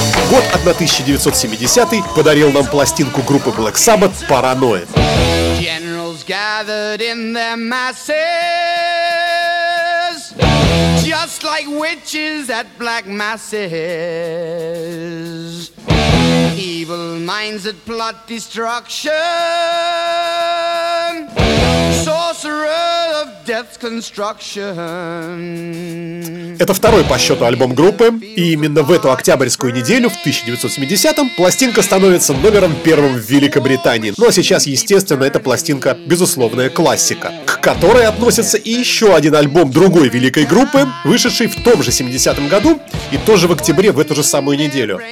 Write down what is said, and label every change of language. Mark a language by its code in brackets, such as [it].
[ru] Год 1970-й подарил нам пластинку группы Black Sabbath «Paranoid». [en] Generals gathered in their masses. Just like witches at black masses. Evil minds that plot destruction. Sorcerer of death's construction. [ru] Это второй по счету альбом группы, и именно в эту октябрьскую неделю, в 1970-м, пластинка становится номером первым в Великобритании. Ну а сейчас, естественно, эта пластинка безусловная классика, к которой относится и еще один альбом другой великой группы, вышедший в том же 70-м году и тоже в октябре в эту же самую неделю.